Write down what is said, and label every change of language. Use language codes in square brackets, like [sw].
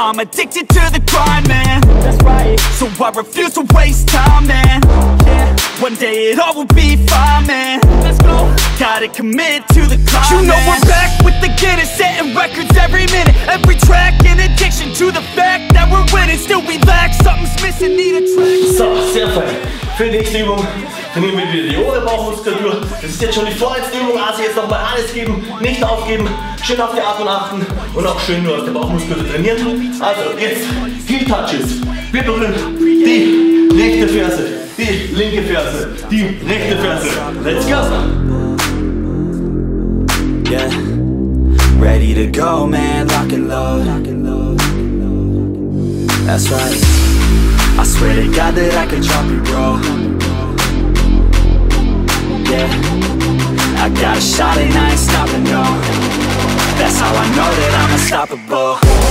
[en] I'm addicted to the grind, man. That's right. So I refuse to waste time, man. Yeah. One day it all will be fine, man. Let's go. Gotta commit to the climb. You know we're back with the Guinness, setting records every minute. Every track, an addiction to the fact that we're winning. Still we lack, something's missing, need a track. [de] So, sehr fein. Für die nächste Übung nehmen wir wieder die obere Bauchmuskulatur. Das ist jetzt schon die vorletzte Übung, also jetzt nochmal alles geben, nicht aufgeben, schön auf die Atmung achten und auch schön nur auf der Bauchmuskulatur trainieren. Also jetzt Heel Touches. Wir berühren die rechte Ferse, die linke Ferse, die rechte Ferse. [en] Let's go! Yeah, ready to go, man, lock and load. That's right. I swear to God that I could drop it, bro. Yeah, I got a shot and I ain't stopping, no. That's how I know that I'm unstoppable.